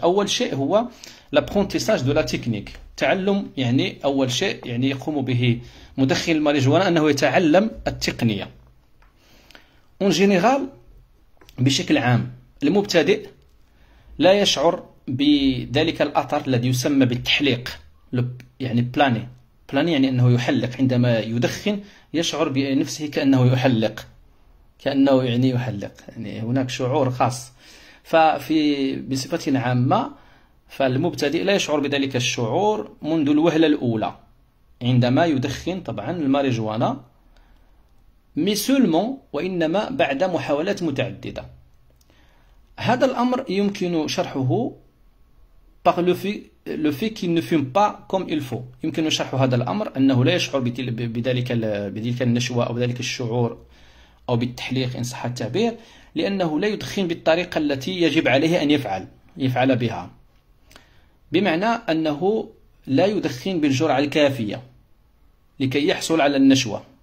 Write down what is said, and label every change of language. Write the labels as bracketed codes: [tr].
[ar] أول شيء هو [fr] l'apprentissage de la technique. [ar] تعلم يعني أول شيء يعني يقوم به مدخن الماريجوانا أنه يتعلم التقنية. [fr] En général, [ar] بشكل عام المبتدئ لا يشعر بذلك الأثر الذي يسمى بالتحليق. يعني بلاني، بلاني يعني أنه يحلق، عندما يدخن يشعر بنفسه كأنه يحلق، كأنه يعني يحلق، يعني هناك شعور خاص. ففي بصفة عامة فالمبتدئ لا يشعر بذلك الشعور منذ الوهلة الأولى عندما يدخن طبعا الماريجوانا، [fr] مي سولمون، [ar] وإنما بعد محاولات متعددة. هذا الأمر يمكن شرحه [fr] par le fait qu'il ne fume pas comme il faut. [ar] يمكن شرح هذا الأمر أنه لا يشعر بذلك النشوة أو ذلك الشعور أو بالتحليق إن صح التعبير، لأنه لا يدخن بالطريقة التي يجب عليه أن يفعل بها، بمعنى أنه لا يدخن بالجرعة الكافية لكي يحصل على النشوة.